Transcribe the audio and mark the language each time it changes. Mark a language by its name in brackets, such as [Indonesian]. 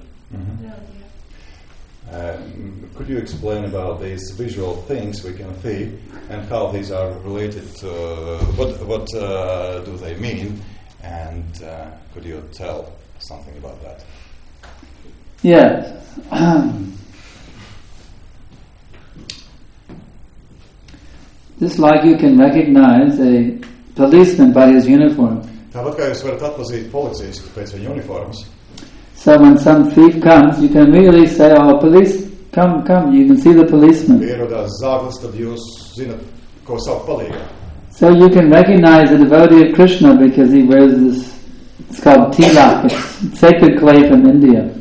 [English] Could you explain about these visual things we can see and how these are related to what do they mean, and could you tell something about that? Yes. Just like you can recognize a policeman by his uniform. [Latvian] Tāpat kā jūs varat atpazīt policistu pēc viņa uniformas. [English] So when some thief comes, you can really say, oh, police, come, you can see the policeman. [Latvian] Ierodās zāglis, tad jūs zinat, ko savu palīgā. [English] So you can recognize the devotee of Krishna because he wears this, it's called tilak, it's sacred clay from India.